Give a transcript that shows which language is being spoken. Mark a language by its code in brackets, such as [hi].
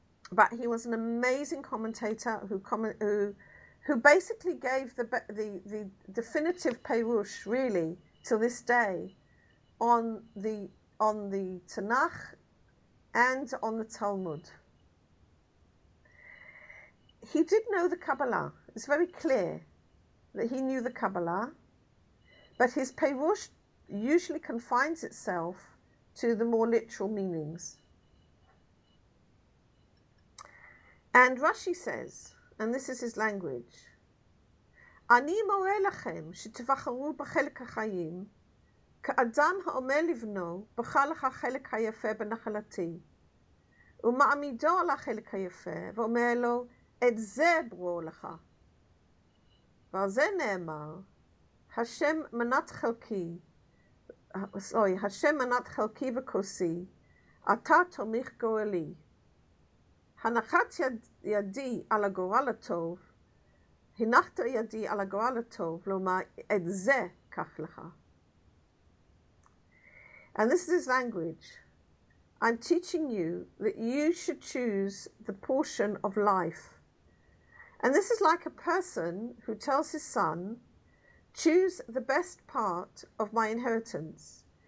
[en] But he was an amazing commentator who basically gave the definitive Peirush, really, till this day, on the Tanakh and on the Talmud. He did know the Kabbalah. It's very clear that he knew the Kabbalah, but his Peirush usually confines itself to the more literal meanings. And Rashi says, and this is his language, [he] אני מורה לכם שתבחרו בחלק החיים כאדם העומד לבנו בחר לך חלק היפה בנחלתי ומעמידו על החלק היפה ואומר לו את זה ברור לך ועל זה נאמר השם מנת חלקי השם מנת חלקי וכוסי אתה תומך גורלי הנחת ידי על הגורל הטוב הנחת ידי על הגורל הטוב, לומר, את זה קח לך. [en] And this is his language. I'm teaching you that you should choose the portion of life. And this is like a person who tells his son, choose the best part of my inheritance.